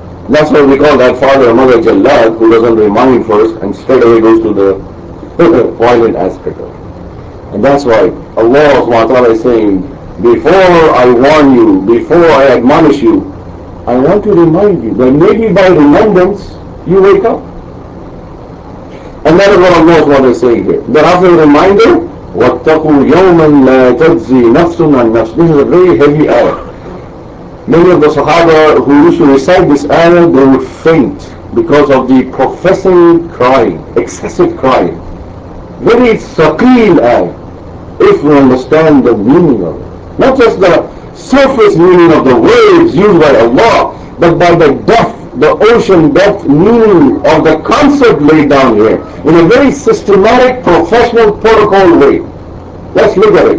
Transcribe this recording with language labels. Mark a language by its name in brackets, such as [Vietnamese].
[English] That's why we call that father and mother Jallad, who doesn't remind first and straight away goes to the violent aspect of it. And that's why Allah SWT is saying, before I warn you, before I admonish you, I want to remind you that maybe by remembrance you wake up. And that is what Allah SWT is saying here. That after a reminder, [Arabic] وَاتَّقُوا يَوْمًا لَا تَجْزِي نَفْسٌ عَنْ نَفْسٍ. [English] This is a very heavy ayah. Many of the Sahaba who used to recite this ayah, they would faint because of the professing crying, excessive crying. Very saqeel ayah, if we understand the meaning of it. Not just the surface meaning of the words used by Allah, but by the depth, the ocean depth meaning of the concept laid down here in a very systematic, professional, protocol way. Let's look at it.